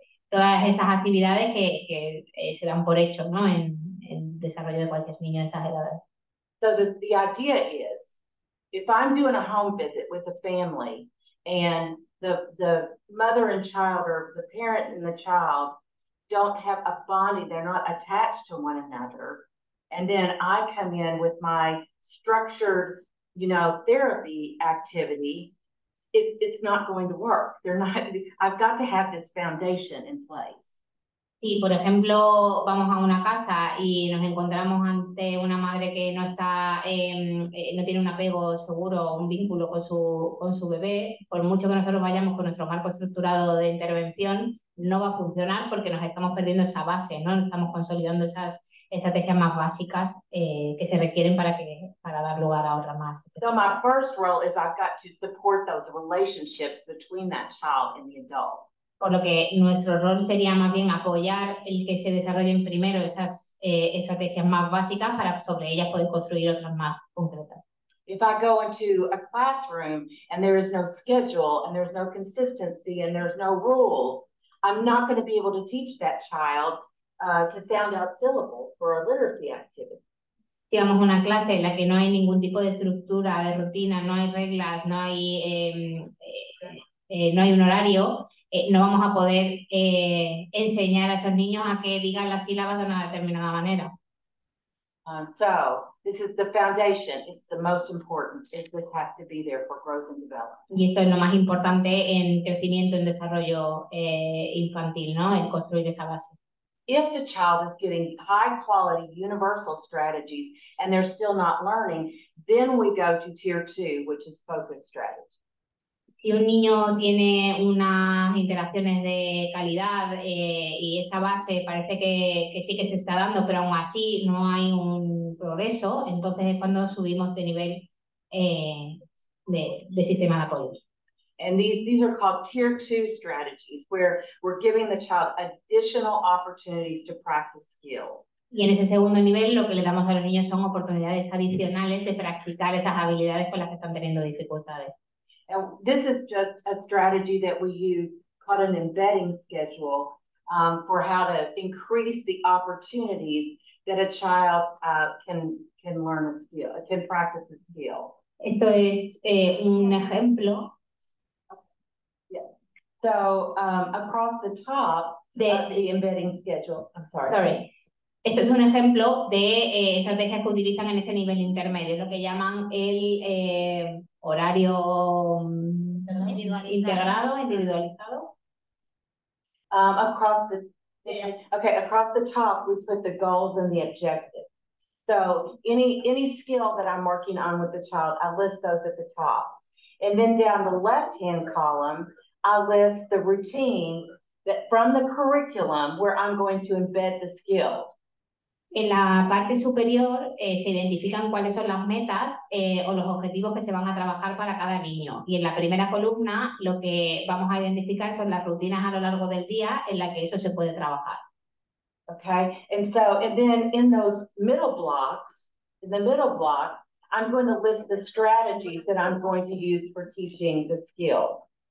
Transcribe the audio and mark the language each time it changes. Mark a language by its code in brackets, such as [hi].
[es] Todas estas actividades que se dan por hecho, ¿no? En desarrollo de cualquier niño de estas edades. [en] So the idea is, if I'm doing a home visit with a family and the mother and child or the parent and the child don't have a bonding, they're not attached to one another, and then I come in with my structured, you know, therapy activity, it's not going to work. I've got to have this foundation in place. [es] Si, por ejemplo, vamos a una casa y nos encontramos ante una madre que no está, no tiene un apego seguro, un vínculo con su bebé, por mucho que nosotros vayamos con nuestro marco estructurado de intervención, no va a funcionar porque nos estamos perdiendo esa base, ¿no? No estamos consolidando esas estrategias más básicas que se requieren para dar lugar a otra más. [en] So my first role is I've got to support those relationships between that child and the adult. [es] Por lo que nuestro rol sería más bien apoyar el que se desarrollen primero esas estrategias más básicas para sobre ellas poder construir otras más concretas. [en] If I go into a classroom and there is no schedule and there's no consistency and there's no rules, I'm not going to be able to teach that child to sound out syllables for a literacy activity. [es] Si vamos a una clase en la que no hay ningún tipo de estructura, de rutina, no hay reglas, no hay, no hay un horario, no vamos a poder enseñar a esos niños a que digan las sílabas de una determinada manera. [en] So, this is the foundation. It's the most important. This has to be there for growth and development. [es] Y esto es lo más importante en crecimiento y desarrollo infantil, ¿no? En construir esa base. [en] If the child is getting high-quality universal strategies and they're still not learning, then we go to tier two, which is focused strategies. [es] Si un niño tiene unas interacciones de calidad y esa base parece que sí que se está dando, pero aún así no hay un progreso, entonces es cuando subimos de nivel de sistema de apoyo. [en] And these are called tier two strategies, where we're giving the child additional opportunities to practice skills. [es] Y en ese segundo nivel, lo que le damos a los niños son oportunidades adicionales de practicar esas habilidades con las que están teniendo dificultades. [en] And this is just a strategy that we use called an embedding schedule for how to increase the opportunities that a child can learn a skill, can practice a skill. [es] Esto es un ejemplo. [en] So across the top the embedding schedule. I'm sorry. Sorry. [es] Esto es un ejemplo de estrategias que utilizan en este nivel intermedio, lo que llaman el horario individualizado. [en] Across the top we put the goals and the objectives. So any skill that I'm working on with the child, I list those at the top. And then down the left-hand column, I list the routines that from the curriculum where I'm going to embed the skills. [es] En la parte superior se identifican cuáles son las metas o los objetivos que se van a trabajar para cada niño. Y en la primera columna lo que vamos a identificar son las rutinas a lo largo del día en la que eso se puede trabajar. [en] Okay. And so, and then in those middle blocks, in the middle block, I'm going to list the strategies that I'm going to use for teaching the skill.